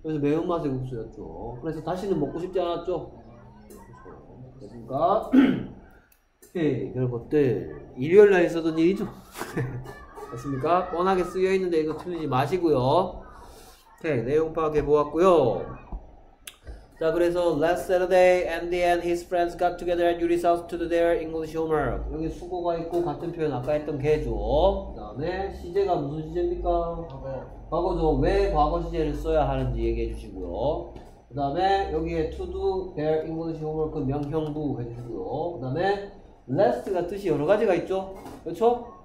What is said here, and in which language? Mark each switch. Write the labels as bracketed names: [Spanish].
[Korean] 그래서 매운 맛의 국수였죠. 그래서 다시는 먹고 싶지 않았죠? 맞습니까? 네, 그런 것들 일요일 날 있었던 일이죠. 맞습니까? 뻔하게 쓰여 있는데 이거 틀리지 마시고요. 오케이, 내용 파악해 보았고요. 자, 그래서 [English] last Saturday, Andy and his friends got together at Yuri's house to do their English homework. [Korean] 여기 수고가 있고 같은 표현 아까 했던 개죠. 그 다음에 시제가 무슨 시제입니까? 과거죠. 왜 과거 시제를 써야 하는지 얘기해 주시고요. 그 다음에 여기에 [English] to do their English homework [Korean] 그 명형부 해주시고요. 그 다음에 last가 뜻이 여러 가지가 있죠. 그렇죠?